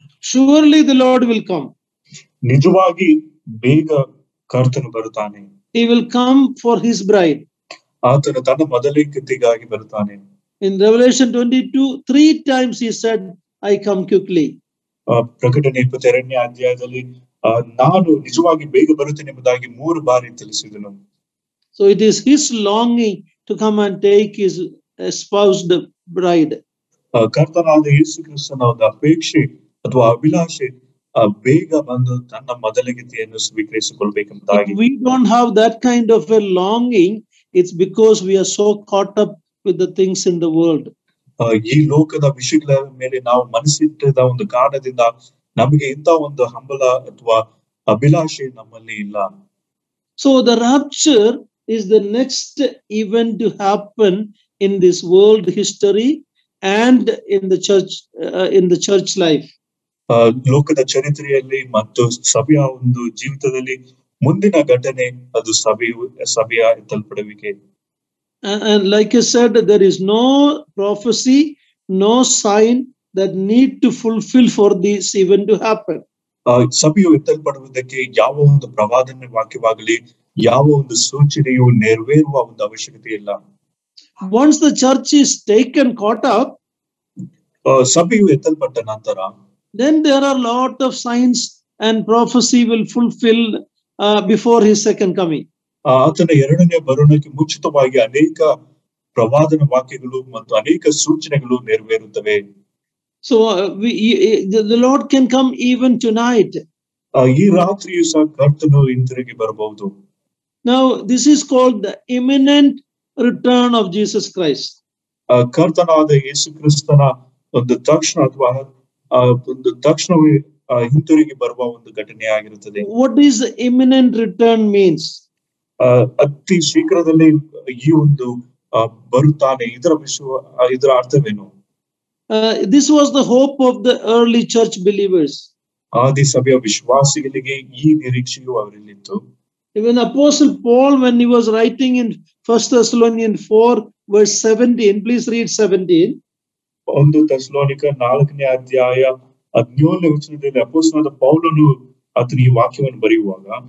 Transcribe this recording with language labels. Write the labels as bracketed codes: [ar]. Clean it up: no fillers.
[en] Surely the Lord will come. [kn] ನಿಜವಾಗಿ ಬೇಗ ಕರ್ತನು ಬರುತ್ತಾನೆ. [en] He will come for his bride. [kn] ಆತನು ತನ್ನ ಮೊದಲಿಗಾಗಿ ಬರುತ್ತಾನೆ. [en] In Revelation 22, three times he said, I come quickly. [kn] ಪ್ರಕಟಣೆ 22ನೇ ಅಧ್ಯಾಯದಲ್ಲಿ ನಾನು ನಿಜವಾಗಿ ಬೇಗ ಬರುತ್ತೇನೆ ಎಂಬುದಾಗಿ ಮೂರು ಬಾರಿ ತಿಳಿಸಿದನು. [en] So it is his longing to come and take his espoused bride. [kn] ಕರ್ತನಾದ ಯೇಸು ಕ್ರಿಸ್ತನ ಒಂದು ಅಪೇಕ್ಷೆ ಅಥವಾ ಅಭಿಲಾಷೆ ಬೇಗ ಬಂದು ತನ್ನ ಮೊದಲಗಿತಿಯನ್ನು ಸ್ವೀಕರಿಸಿಕೊಳ್ಬೇಕೆಂಬುದಾಗಿ. [en] We don't have that kind of a longing, it's because we are so caught up with the things in the world. [kn] ಈ ಲೋಕದ ವಿಷಯಗಳ ಮೇಲೆ ನಾವು ಮನಸ್ಸಿಟ್ಟದ ಒಂದು ಕಾರಣದಿಂದ ನಮಗೆ ಇಂತ ಒಂದು ಹಂಬಲ ಅಥವಾ ಅಭಿಲಾಷೆ ನಮ್ಮಲ್ಲಿ ಇಲ್ಲ. [en] So the rapture is the next event to happen in this world history and in the church life. [kn] ಲೋಕದ ಚರಿತ್ರೆಯಲ್ಲಿ ಮತ್ತು ಸಭೆಯ ಒಂದು ಜೀವಿತದಲ್ಲಿ ಮುಂದಿನ ಘಟನೆ ಅದು ಸಭೆಯ ತಲುಪಡುವಿಕೆ. [en] And like I said, there is no prophecy, no sign that need to fulfill for this event to happen. [kn] ಸಭೆಯು ಎತ್ತಲ್ಪಡುವುದಕ್ಕೆ ಯಾವ ಒಂದು ಪ್ರವಾದನೆ ವಾಕ್ಯವಾಗಲಿ ಯಾವ ಒಂದು ಸೂಚನೆಯು ನೆರವೇರುವ ಒಂದು ಅವಶ್ಯಕತೆ ಇಲ್ಲ. [en] Once the church is taken caught up, [kn] ಸಭೆಯು ಎತ್ತಲ್ಪಟ್ಟ ನಂತರ, [en] then there are lot of signs and prophecy will fulfill before his second coming. [kn] ಆತನು ಎರಡನೇ ಬರುವುದಕ್ಕೆ ಮುಂಚಿತವಾಗಿ ಅನೇಕ ಪ್ರವಾದನ ವಾಕ್ಯಗಳು ಮತ್ತು ಅನೇಕ ಸೂಚನೆಗಳು ನೆರವೇರುತ್ತವೆ. [en] So the Lord can come even tonight. [kn] ಈ ರಾತ್ರಿಯು ಸಹ ಕರ್ತನು ಹಿಂತಿರುಗಿ ಬರಬಹುದು. [en] Now this is called the imminent return of Jesus Christ. [kn] ಕರ್ತನಾದ ಯೇಸು ಕ್ರಿಸ್ತನ ಒಂದು ತಕ್ಷಣ ಅಥವಾ ಒಂದು ತಕ್ಷಣವೇ ಹಿಂತಿರುಗಿ ಬರುವ ಒಂದು ಘಟನೆ ಆಗಿರುತ್ತದೆ. [en] What is imminent return means? [kn] ಅತಿ ಶೀಘ್ರದಲ್ಲಿ ಈ ಒಂದು ಬರುತ್ತಾನೆ, ಇದರ ವಿಷಯ ಇದರ ಅರ್ಥವೇನು? [en] This was the hope of the early church believers. [kn] ಆದಿ ಸಭೆಯ ವಿಶ್ವಾಸಿಗಳಿಗೆ ಈ ನಿರೀಕ್ಷೆಯು ಅವರಲ್ಲಿತ್ತು. [en] Even Apostle Paul, when he was writing in 1 Thessalonians 4:17, please read 17. [kn] ಒಂದು ಥೆಸಲೋನಿಕ ನಾಲ್ಕನೇ ಅಧ್ಯಾಯ 17ನೇ ವಚನದಲ್ಲಿ ಅಪೊಸ್ತಲನಾದ ಪೌಲನು ಆತನ ಈ ವಾಕ್ಯವನ್ನು ಬರೆಯುವಾಗ,